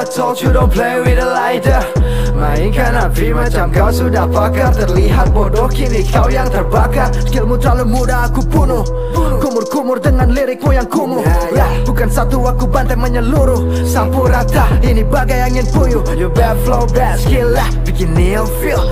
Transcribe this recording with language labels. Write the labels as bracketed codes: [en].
[en] I told you don't play with a lighter. [ms] Mainkan api macam kau sudah pakar. Terlihat bodoh, kini kau yang terbakar. Skillmu terlalu mudah, aku bunuh. Kumur-kumur dengan lirikmu yang kumuh. Bukan satu, aku bantai menyeluruh. Sampu rata, ini bagai angin puyuh. [en] You bad flow, bad skill, bikin Neil feel.